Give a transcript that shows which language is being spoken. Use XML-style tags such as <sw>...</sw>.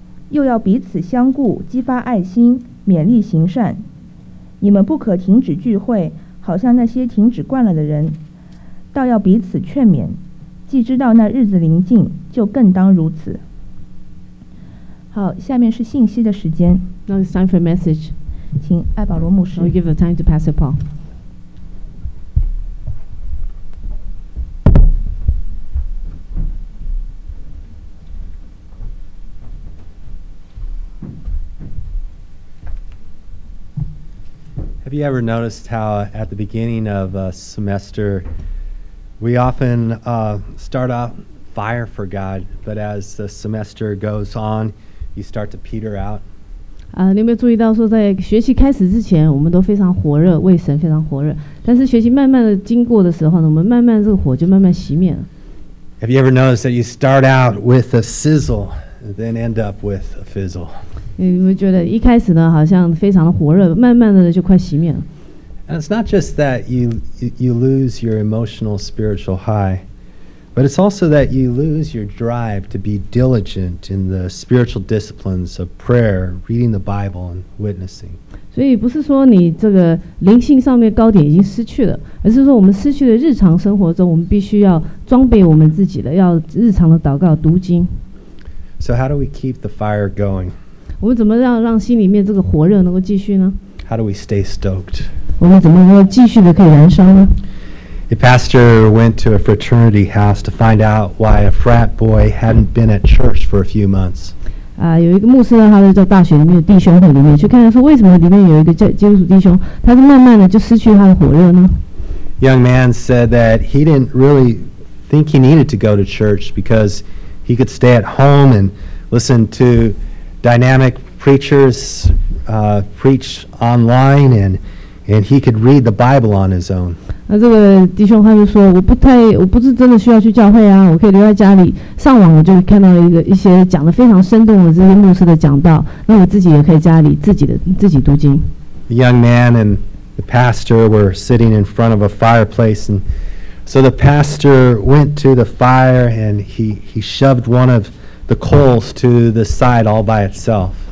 <zh>又要彼此相顾，激发爱心，勉励行善。你们不可停止聚会，好像那些停止惯了的人，倒要彼此劝勉，既知道那日子临近，就更当如此。好，下面是信息的时间。</zh> <en>Now it's time for a message.</en> <zh>请艾保罗牧师。</zh> <en>I'll give the time to Pastor Paul. Have you ever noticed how at the beginning of a semester we often start off fire for God, but as the semester goes on, you start to peter out?</en> <zh>你有没有注意到说在学习开始之前我们都非常火热，为神非常火热，但是学习慢慢的经过的时候呢，我们慢慢这个火就慢慢熄灭了。</zh> <en>Have you ever noticed that you start out with a sizzle, then end up with a fizzle?</en> <zh>你们觉得一开始呢好像非常的火热，慢慢的就快熄灭了。</zh> <en>And it's not just that you lose your emotional spiritual high, but it's also that you lose your drive to be diligent in the spiritual disciplines of prayer, reading the Bible, and witnessing.</en> <zh>所以不是说你这个灵性上面高点已经失去了，而是说我们失去了日常生活中我们必须要装备我们自己的，要日常的祷告读经。</zh> <en>So how do we keep the fire going?</en> <zh>我们怎么让心里面这个火热能够继续呢？</zh> <en>How do we stay stoked?</en> <zh>我们怎么能够继续的可以燃烧呢？</zh> <en>A pastor went to a fraternity house to find out why a frat boy hadn't been at church for a few months.</en> <zh>有一个牧师呢，他就在大学里面弟兄会里面去看看，说为什么里面有一个基督徒弟兄，他是慢慢的就失去他的火热呢？</zh> <en>Young man said that he didn't really think he needed to go to church because he could stay at home and listen to. Dynamic preachers preach online, and he could read the Bible on his own.</en> <zh>那这个弟兄他就说，我不是真的需要去教会啊，我可以留在家里，上网我就看到一些讲的非常生动的这些牧师的讲道，那我自己也可以家里自己读经。</zh> <en>The young man and the pastor were sitting in front of a fireplace, and so the pastor went to the fire and he shoved one of. The coals to the side all by itself.</en>